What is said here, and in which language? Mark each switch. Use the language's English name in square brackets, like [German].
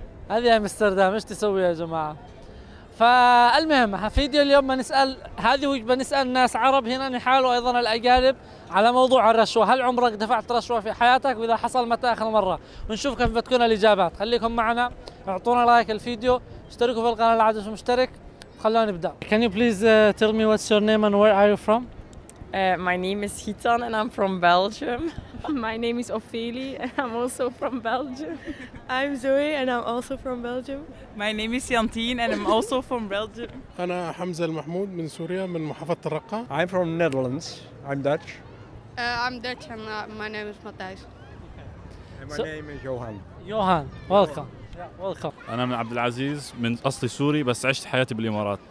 [Arabic] هذه أمستردام، إيش تسوي يا جماعة؟ فالمهم في فيديو اليوم بنسأل هذه وجبة، نسأل ناس عرب هنا نحاول، وأيضا الأجانب، على موضوع الرشوة. هل عمرك دفعت رشوة في حياتك؟ وإذا حصل متى آخر مرة؟ ونشوف كيف بتكون الإجابات. خليكم معنا، أعطونا لايك الفيديو، اشتركوا في القناة لو عدتم مشترك، خلونا نبدأ. [English] Can you please tell me what's your name and where are you from? My name is Hitan and I'm from Belgium. My name is Ophelia and I'm also from Belgium. I'm Zoe and I'm also from Belgium. My name is Yantin and I'm also from Belgium. [Arabic] أنا حمزة المحمود من سوريا من محافظة الرقة. [English] I'm from Netherlands. I'm Dutch. I'm Dutch and my name is Matthijs. Okay. And my name is Johan. Johan, welcome. Welcome. [Arabic] أنا من عبد العزيز، من أصلي سوري بس عشت حياتي بالإمارات.